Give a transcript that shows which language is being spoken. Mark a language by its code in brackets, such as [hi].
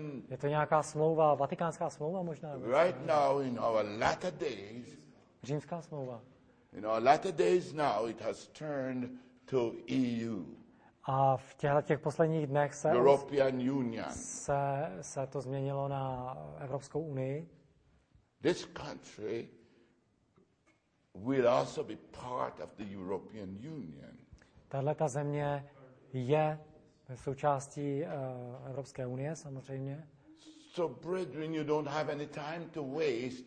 [cs] Je to nějaká smlouva, vatikánská smlouva možná. [en] Right now in our latter days. [cs] Římská smlouva. [en] In our latter days now it has turned to EU. [cs] A v těch posledních dnech se to změnilo na Evropskou unii. [en] This country will also be part of the European Union. [cs] Tahle ta země je součástí Evropské unie samozřejmě. [en] So brethren, you don't have any time to waste.